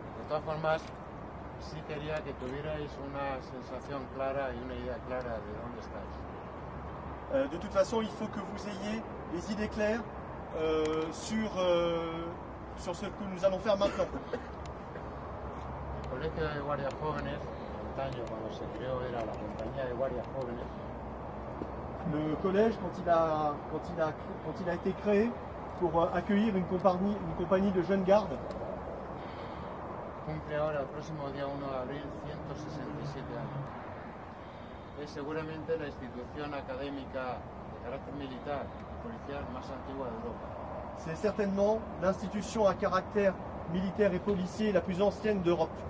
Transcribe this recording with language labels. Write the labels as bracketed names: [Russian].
[French] De toute façon, je voudrais que vous ayez une sensation claire et une idée claire de où vous êtes. De toute façon, il faut que vous ayez les idées claires sur ce que nous allons faire maintenant. Le collège de [Spanish] guardia jóvenes, antaño, cuando se creó, era la compañía de guardia jóvenes. [French] Le collège, quand il a été créé pour accueillir une compagnie de jeunes gardes, [Spanish] cumple ahora, el próximo día 1 de abril, 167 años. Es seguramente la institución académica de carácter militar y policial más antigua de Europa. [French] C'est certainement l'institution à caractère militaire et policier la plus ancienne d'Europe.